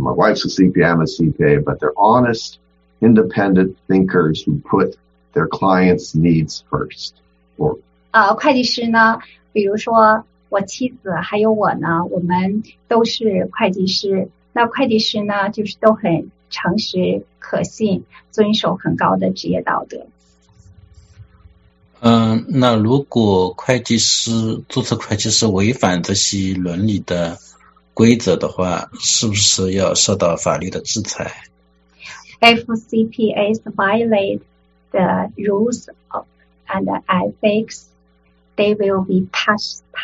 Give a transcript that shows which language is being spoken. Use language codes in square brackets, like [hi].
[en] My wife's a CPA, I'm a CPA, but they're honest, independent thinkers who put their clients' needs first. [zh] 会计师呢，比如说我妻子还有我呢，我们都是会计师。那会计师呢，就是都很诚实、可信、遵守很高的职业道德。那如果会计师注册会计师违反这些伦理的规则的话，是不是要受到法律的制裁 [en] ？If CPAs violate the rules of and ethics, they will be punished.